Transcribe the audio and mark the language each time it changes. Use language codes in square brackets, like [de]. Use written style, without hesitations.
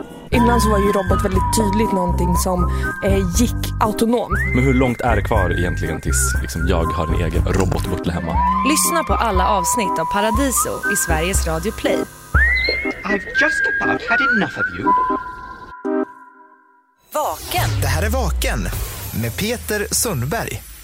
[sv] Innan så var ju robot väldigt tydligt någonting som gick autonom. Men hur långt är det kvar egentligen tills liksom jag har en egen robotbutle hemma? Lyssna på alla avsnitt av Paradiso i Sveriges Radio Play. [en] I've just about had enough of you. [sv] Vaken. Det här är Vaken med Peter Sundberg.